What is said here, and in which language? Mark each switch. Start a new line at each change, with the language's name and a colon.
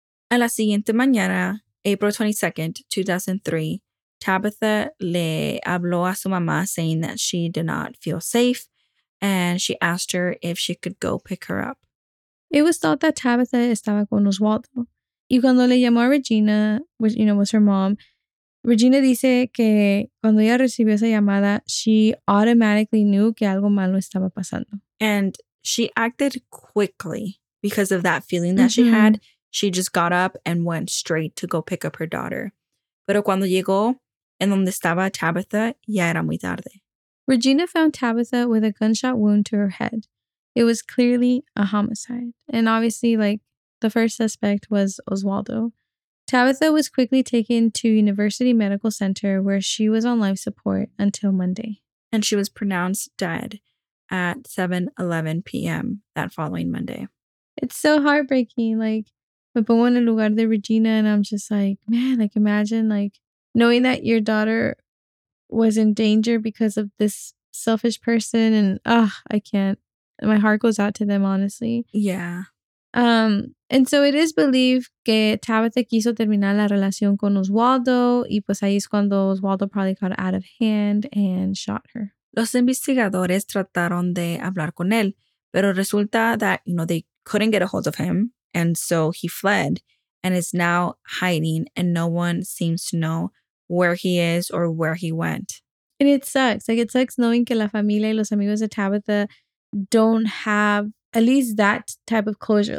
Spanish: A la siguiente mañana,
English: April 22nd, 2003,
Spanish: Tabitha le habló a su mamá
English: saying that she did not feel safe. And she asked her if she could go pick her up. It was thought that Tabitha
Spanish: estaba con Oswaldo. Y cuando le llamó a Regina,
English: which, you know, was her mom,
Spanish: Regina dice que cuando ella recibió esa llamada,
English: she automatically knew
Spanish: que algo malo estaba pasando.
English: And she acted quickly because of that feeling that mm-hmm. she had. She just got up and went straight to go pick up her daughter.
Spanish: Pero cuando llegó en donde estaba Tabitha, ya era muy tarde.
English: Regina found Tabitha with a gunshot wound to her head. It was clearly a homicide. And obviously, like, the first suspect was Oswaldo. Tabitha was quickly taken to University Medical Center, where she was on life support until Monday. And she was pronounced dead at 7:11 p.m. that following Monday. It's so heartbreaking. Like,
Spanish: me pongo en el lugar de Regina,
English: and I'm just like, man, like, imagine, like, knowing that your daughter was in danger because of this selfish person. And I can't. My heart goes out to them, honestly. Yeah. And so it is believed
Spanish: que Tabitha quiso terminar la relación con Oswaldo. Y pues ahí es cuando
English: Oswaldo probably got out of hand and shot her.
Spanish: Los investigadores trataron de hablar con él. Pero resulta
English: that, you know, they couldn't get a hold of him. And so he fled and is now hiding. And no one seems to know where he is or where he went. And it sucks. Like, it sucks knowing
Spanish: que la familia y los amigos de Tabitha
English: don't have at least that type of closure.